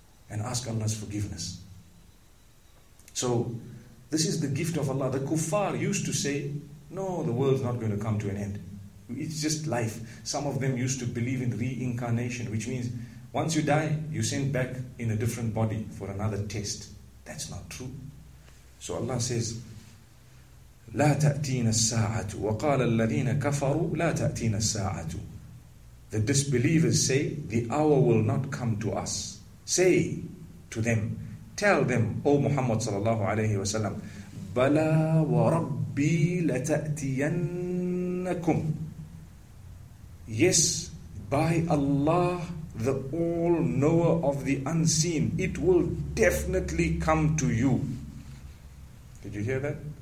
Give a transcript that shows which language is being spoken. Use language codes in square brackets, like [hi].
[en] And ask Allah's forgiveness. So, this is the gift of Allah. The kuffar used to say, no, the world's not going to come to an end. It's just life. Some of them used to believe in reincarnation, which means, once you die, you send back in a different body for another test. That's not true. So Allah says, [ar] لا تأتينا الساعة وقال الذين كفروا لا تأتينا الساعة. [en] The disbelievers say, the hour will not come to us. Say to them, tell them, O Muhammad sallallahu alayhi wa sallam, [ar] Bala wa rabbi lata'tiyannakum. [en] Yes, by Allah, the all-knower of the unseen, it will definitely come to you. Did you hear that?